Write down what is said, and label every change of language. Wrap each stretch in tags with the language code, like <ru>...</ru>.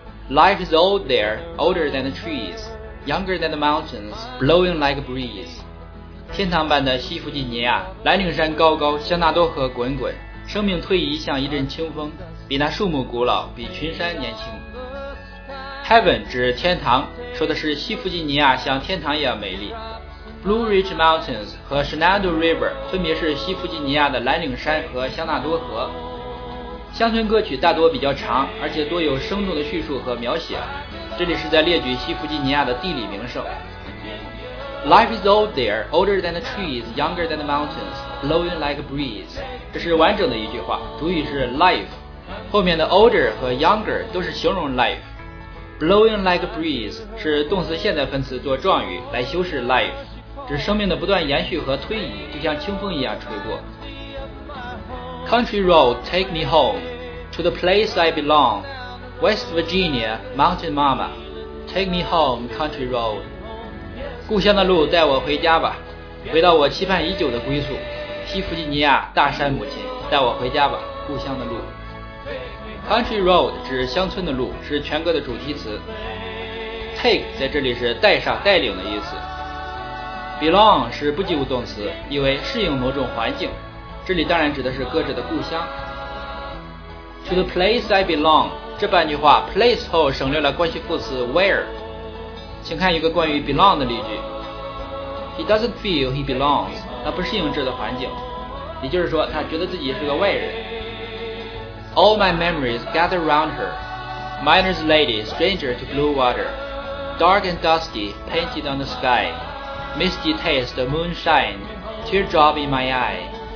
<en>Life is old there, older than the trees, younger than the mountains, blowing like a breeze.</en> <zh>天堂般的西弗吉尼亚，蓝岭山高高，香纳多河滚滚，生命退移像一阵清风，比那树木古老，比群山年轻。 Heaven 指天堂，说的是西弗吉尼亚像天堂一样美丽。 Blue Ridge Mountains 和 Shenandoah River 分别是西弗吉尼亚的蓝岭山和香纳多河。乡村歌曲大多比较长，而且多有生动的叙述和描写。这里是在列举西弗吉尼亚的地理名胜。</zh> <en>Life is old there, older than the trees, younger than the mountains, blowing like a breeze.</en> <zh>这是完整的一句话，主语是 life， 后面的 older 和 younger 都是形容 life。 Blowing like a breeze 是动词现在分词做状语来修饰 life，指生命的不断延续和推移，就像清风一样吹过。</zh> <en>Country road, take me home to the place I belong, West Virginia, mountain mama. Take me home, country road.</en> <zh>故乡的路带我回家吧，回到我期盼已久的归宿，西弗吉尼亚大山母亲，带我回家吧，故乡的路。 Country road 指乡村的路，是全歌的主题词。Take 在这里是带上带领的意思。 Belong 是不及物动词，意为适应某种环境，这里当然指的是歌者的故乡。 To the place I belong 这半句话 place 后省略了关系副词 where。请看一个关于 belong 的例句。 He doesn't feel he belongs，他不适应这的环境，也就是说他觉得自己是个外人。</zh> <en>All my memories gather round her， Miner's lady, stranger to blue water， Dark and dusty, painted on the skyMisty taste of moonshine, teardrop in my eye.</en>